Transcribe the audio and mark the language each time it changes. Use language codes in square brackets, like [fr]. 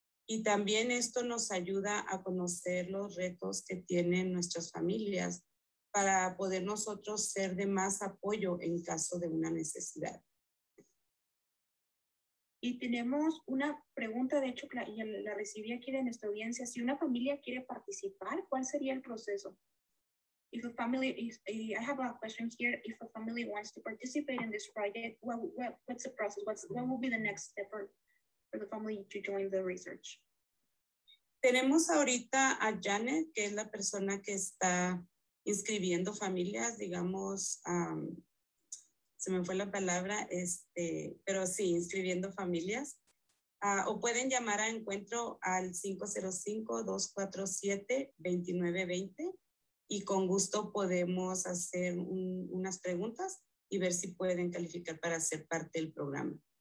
[es] Y también esto nos ayuda a conocer los retos que tienen nuestras familias para poder nosotros ser de más apoyo en caso de una necesidad. Y tenemos una pregunta, de hecho, la recibí aquí de nuestra audiencia. Si una familia quiere participar, ¿cuál sería el proceso? [en] If a family is, I have a question here. If a family wants to participate in this project, what's the process? What will be the next step for the family to join the research? [es] Tenemos ahorita a Janet, que es la persona que está inscribiendo familias, digamos, se me fue la palabra, pero sí, inscribiendo familias. O pueden llamar a Encuentro al 505-247-2920 y con gusto podemos hacer unas preguntas y ver si pueden calificar para ser parte del programa.